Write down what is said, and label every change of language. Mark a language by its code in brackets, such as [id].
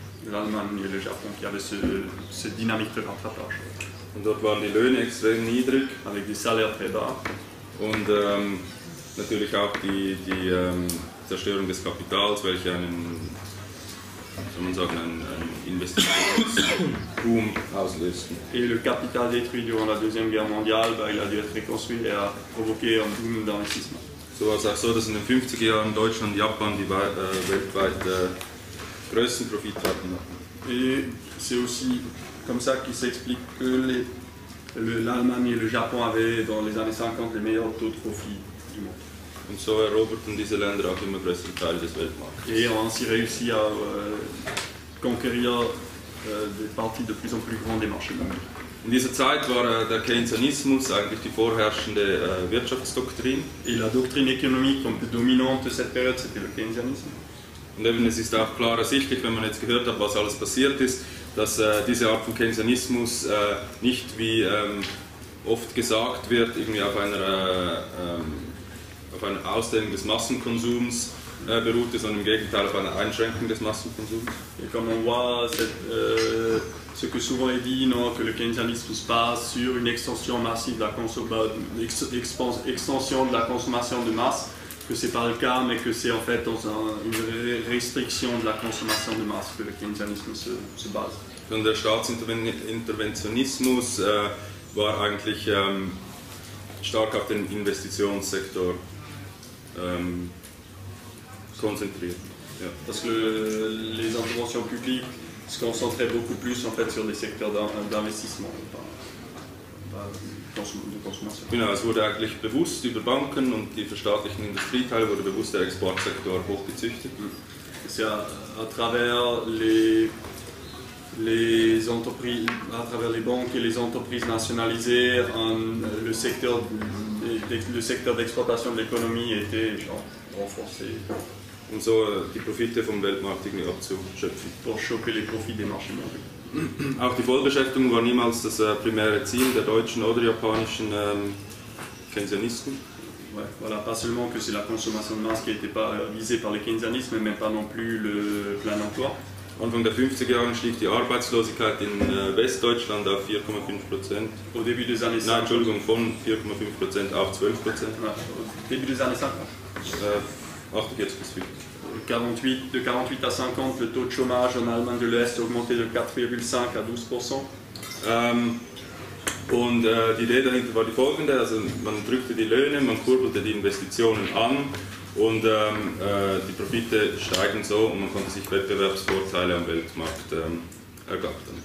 [fr] L'Allemagne et le Japon qui avaient cette dynamique de rattrapage. [de] Und dort waren die Löhne extrem niedrig. [fr] Avec des salaires très bas. [de] Und natürlich auch die Zerstörung des Kapitals, welche einen, soll man sagen, einen Investitionsboom auslösten. [fr] Et le capital détruit durant la Deuxième Guerre mondiale, bah, il a dû être reconstruit et a provoqué un boom d'investissement. [de] So war es auch so, dass in den 50er Jahren Deutschland und Japan die weltweit größten Profitraten hatten. [fr] Et c'est aussi comme ça qu'il s'explique que l'Allemagne et le Japon avaient dans les années 50 les meilleurs taux de profit du monde. [de] Und so eroberten diese Länder auch immer größeren Teil des Weltmarktes. [fr] Et ont ainsi réussi à conquérir des parties de plus en plus grandes des marchés mondiaux. [de] In dieser Zeit war der Keynesianismus eigentlich die vorherrschende Wirtschaftsdoktrin. [fr] Et la doctrine économique un peu dominante de cette période, c'était le keynesianisme. [de] Und eben, es ist auch klar ersichtlich, wenn man jetzt gehört hat, was alles passiert ist, dass diese Art von Keynesianismus nicht, wie oft gesagt wird, irgendwie auf einer Ausdehnung des Massenkonsums beruhte, sondern im Gegenteil auf einer Einschränkung des Massenkonsums. [fr] Et comme on voit, ce que souvent est dit, non, que le keynesianisme se base sur une extension massive de la extension de la consommation de masse, que ce n'est pas le cas, mais que c'est en fait dans une restriction de la consommation de masse que le keynesianisme se base. [de] Und der Staatsinterventionismus war eigentlich stark auf den Investitionssektor konzentriert. Ja. [fr] Parce que les interventions publiques se concentraient beaucoup plus en fait sur les secteurs d'investissement, de consommation. [de] Genau, es wurde eigentlich bewusst über Banken und die verstaatlichen Industrieteile wurde bewusst der Exportsektor hochgezüchtet. [fr] C'est à travers les entreprises, à travers les banques et les entreprises nationalisées, le secteur d'exploitation de l'économie était renforcé. [de] Um so die Profite vom Weltmarkt irgendwie abzuschöpfen. [fr] Pour choper les profits des marchés mondiaux. [de] Auch die Vollbeschäftigung war niemals das primäre Ziel der deutschen oder japanischen Keynesianisten. [fr] Ouais, voilà, pas seulement que c'est la consommation de masse qui n'était pas visée par le keynesianisme, mais pas non plus le plein emploi. [de] Anfang der 50er Jahre stieg die Arbeitslosigkeit in Westdeutschland auf 4,5%. [fr] Au début des années 50. [de] Nein, Entschuldigung, von 4,5% auf 12%. [fr] Ouais, début des années 50. 48, de 48 à 50, le taux de chômage en Allemagne de l'Est a augmenté de 4,5 à 12%. [de] Und [fr] l'idée [de] dahinter war die folgende, also man drückte die Löhne, man kurbelte die Investitionen an und die Profite steigen so und man konnte sich Wettbewerbsvorteile am Weltmarkt ergattern.